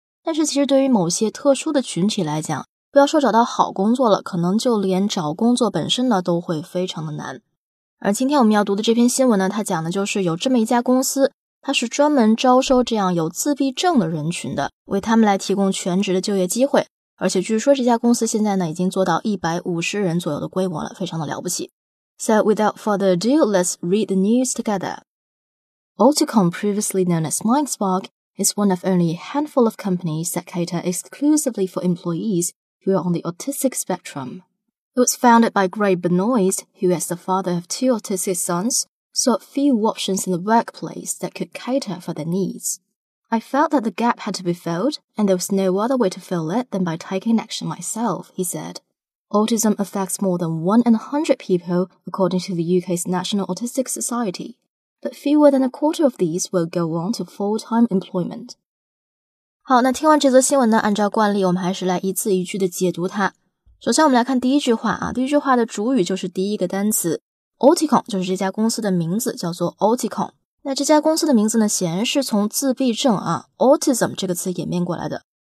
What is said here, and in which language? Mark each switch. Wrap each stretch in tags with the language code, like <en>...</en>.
<zh>但是其实对于某些特殊的群体来讲，不要说找到好工作了，可能就连找工作本身呢都会非常的难。而今天我们要读的这篇新闻呢，它讲的就是有这么一家公司，它是专门招收这样有自闭症的人群的，为他们来提供全职的就业机会。而且据说这家公司现在呢已经做到150人左右的规模了，非常的了不起。</zh> <en>So without further ado, let's read the news together. Alticon, previously known as MindSpark, is one of only a handful of companies that cater exclusively for employeesWho are on the autistic spectrum. It was founded by Greg Benoist, who as the father of two autistic sons, saw few options in the workplace that could cater for their needs. I felt that the gap had to be filled, and there was no other way to fill it than by taking action myself, he said. Autism affects more than 100 people, according to the UK's National Autistic Society, but fewer than a quarter of these will go on to full-time employment.</en> <zh>好，那听完这则新闻呢，按照惯例我们还是来一字一句的解读它。首先我们来看第一句话啊，第一句话的主语就是第一个单词 Alticon, 就是这家公司的名字，叫做 Alticon。那这家公司的名字呢，显然是从自闭症啊 Autism 这个词演变过来的。</zh>